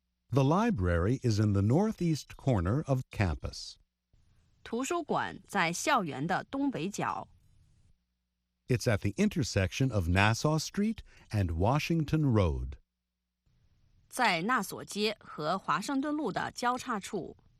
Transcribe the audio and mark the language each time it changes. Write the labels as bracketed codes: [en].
[en] The library is in the northeast corner of campus. [zh] 图书馆在校园的东北角。 [en] It's at the intersection of Nassau Street and Washington Road. [zh] 在纳索街和华盛顿路的交叉处。